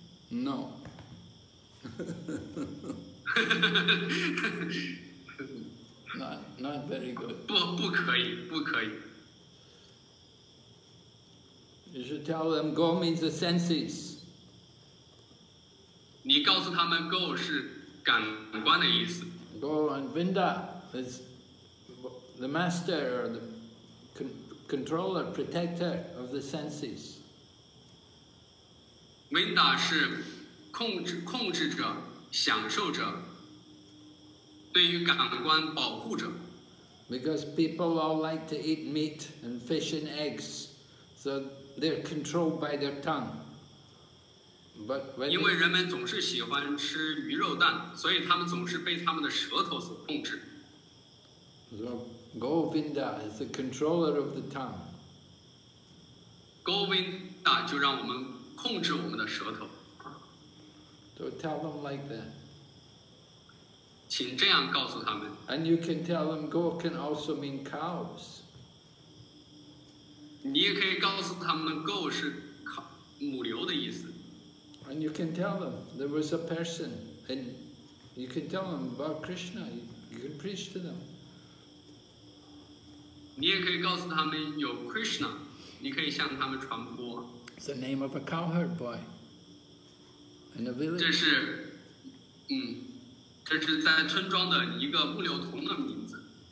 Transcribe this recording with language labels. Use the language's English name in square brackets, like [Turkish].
[English] No. not very good. [Chinese] 不可以。 [English] You should tell them go means the senses. [Chinese] 你告诉他们 go 是感官的意思。 [English] Go and Vinda is the master or the controller, protector of the senses. [Chinese] Vinda 是控制者、享受者。对于感官保护者。 [English] Because people all like to eat meat and fish and eggs, so they're controlled by their tongue. But when [Chinese] 因为人们总是喜欢吃鱼肉蛋，所以他们总是被他们的舌头所控制。 [English] So Govinda is the controller of the tongue. [Chinese] Govinda 就让我们控制我们的舌头。 [English] So tell them like that. [Chinese] 请这样告诉他们。 [English] And you can tell them go can also mean cows. [Chinese] 你也可以告诉他们 go 是母牛的意思。 [English] And you can tell them there was a person, and you can tell them about Krishna, you can preach to them. [Chinese] 你也可以告诉他们有 Krishna, 你可以向他们传播。 [English] It's the name of a cowherd boy in a village. [Chinese] 这是这是在村庄的一个牧牛童的名字。